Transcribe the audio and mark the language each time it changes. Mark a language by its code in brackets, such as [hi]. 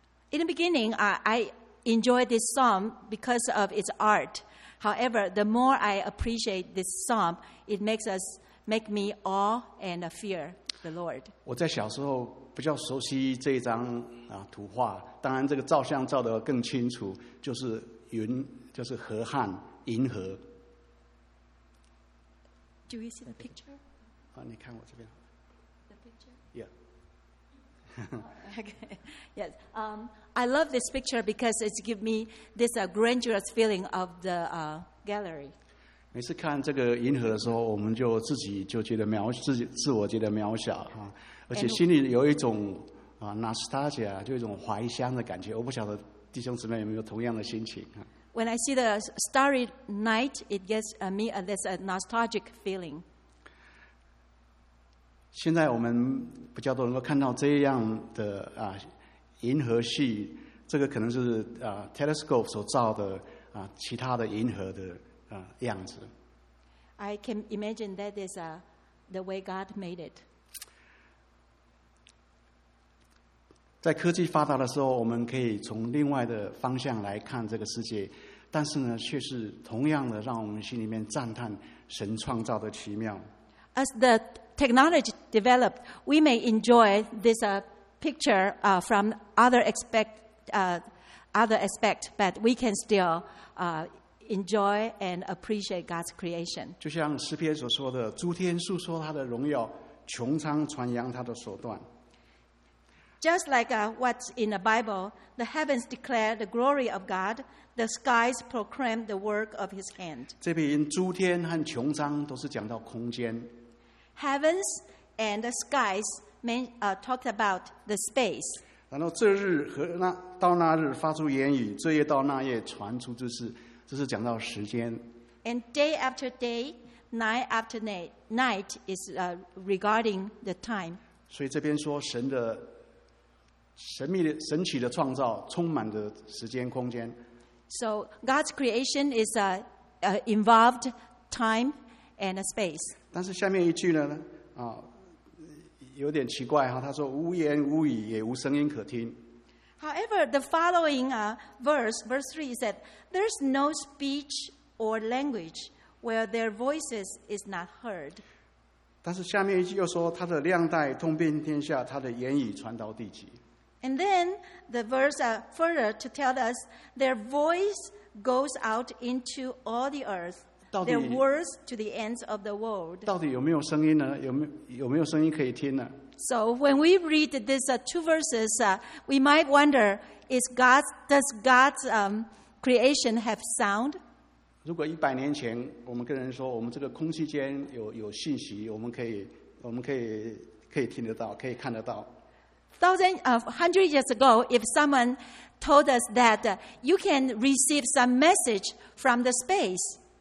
[en] In the beginning, I enjoyed this psalm because of its art. However, the more I appreciate this psalm, it makes me awe and fear the Lord. [zh] 我在小时候比较熟悉这一张图画，当然这个照相照得更清楚，就是云，就是河汉银河。 [en] Do you see the picture? [zh] 你看我这边。 [en] Okay. Yes. I love this picture because it gives me this grandiose feeling of the gallery. [zh] 每次看这个银河的时候，我们就自己就觉得渺自己自我觉得渺小啊，而且心里有一种nostalgia， 就一种怀乡的感觉。我不晓得弟兄姊妹有没有同样的心情啊。 [en] When I see the starry night, it gives me this nostalgic feeling. [zh] 现在我们比较多能够看到这样的银河系，这个可能是telescope 所造的其他的银河的样子。 [en] I can imagine that is the way God made it. [zh] 在科技发达的时候，我们可以从另外的方向来看这个世界，但是呢，却是同样的让我们心里面赞叹神创造的奇妙。 [en] As the technology developed, we may enjoy this picture from other aspect, but we can still enjoy and appreciate God's creation. [zh] 就像诗篇所说的，诸天述说他的荣耀，穹苍传扬他的手段。 [en] Just like what's in the Bible, the heavens declare the glory of God, the skies proclaim the work of His hand. [zh] 这边诸天和穹苍都是讲到空间。 [en] Heavens and the skies talked about the space. [zh] 然后这日和那到那日发出言语，这夜到那夜传出知识，这是讲到时间。 [en] And day after day, night after night is regarding the time. [zh] 所以这边说神的神秘的神奇的创造，充满着时间空间。 [en] So God's creation is involved time and a space. [zh] 但是下面一句呢，有点奇怪哈，他说无言无语，也无声音可听。 [en] However, the following verse 3 said, there's no speech or language where their voices is not heard. [zh] 但是下面一句又说他的亮带通遍天下，他的言语传到地极。 [en] And then the verse further to tell us their voice goes out into all the earth, their words to the ends of the world. [zh] 到底有没有声音呢？有没有声音可以听呢？ [en] So when we read these two verses, we might wonder, does God's creation have sound? [zh] 如果一百年前我们跟人说我们这个空气间 有信息，我们可以听得到，可以看得到。 [en] 100 years ago, if someone told us that you can receive some message from the space,